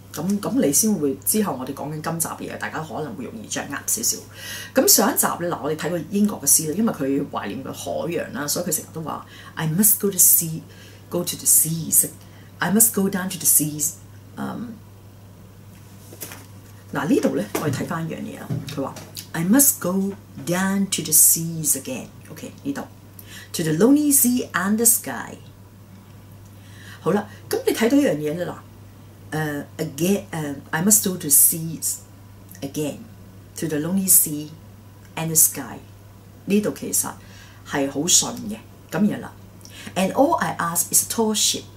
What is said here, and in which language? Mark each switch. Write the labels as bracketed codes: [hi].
[yue] 咁你先會之後我哋講緊今集嘢，大家可能會容易掌握少少。咁上一集咧，嗱我哋睇過英國嘅詩啦，因為佢懷念個海洋啦，所以佢成日都話 [en] I must go to sea。Go to the seas. I must go down to the seas. [yue] 嗱呢度咧，我哋睇翻一樣嘢啦。佢話 [en] ：I must go down to the seas again. OK， [yue] 呢度 [en] to the lonely sea and the sky. [yue] 好啦，咁你睇到一樣嘢啦。 [en] I must go to the seas again to the lonely sea and the sky. [yue] 呢度其實係好順嘅。咁然後啦。 [en] And all I ask is a tall ship.